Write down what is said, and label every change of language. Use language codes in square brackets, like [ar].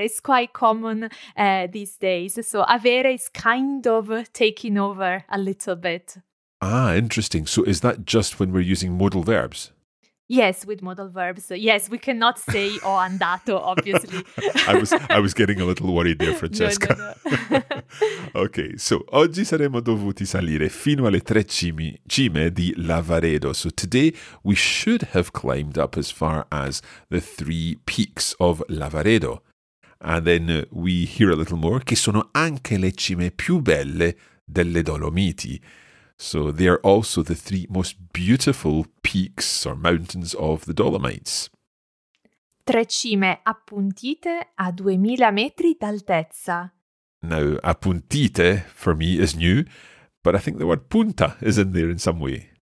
[en] It's quite common these days. So avere is kind of taking over a little bit. Ah, interesting. So is that just when we're using modal verbs? Yes, with modal verbs. Yes, we cannot say [it] ho andato, [en] obviously. I was getting a little worried there, Francesca. No. [it] Okay, so oggi saremmo dovuti salire fino alle tre cime di Lavaredo. [en] So today we should have climbed up as far as the three peaks of Lavaredo. And then we hear a little more. [it] Che sono anche le cime più belle delle Dolomiti. [en] So they are also the three most beautiful peaks or mountains of the Dolomites. [it] Tre cime appuntite a 2000 metri d'altezza. [en] Now, appuntite for me is new, but I think the word punta is in there in some way.